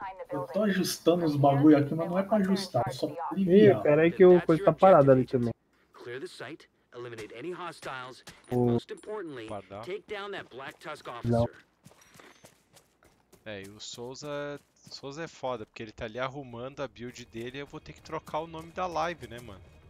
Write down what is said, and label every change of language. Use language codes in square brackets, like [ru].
[pt] Eu tô ajustando os bagulho aqui, mas não é pra ajustar. É só ir, peraí que o coisa tá parado ali também. [en] Clear the site, eliminate any hostiles, and most importantly, take down that Black Tusk officer. [pt] É, e o Souza é foda, porque ele tá ali arrumando a build dele e eu vou ter que trocar o nome da live, né, mano?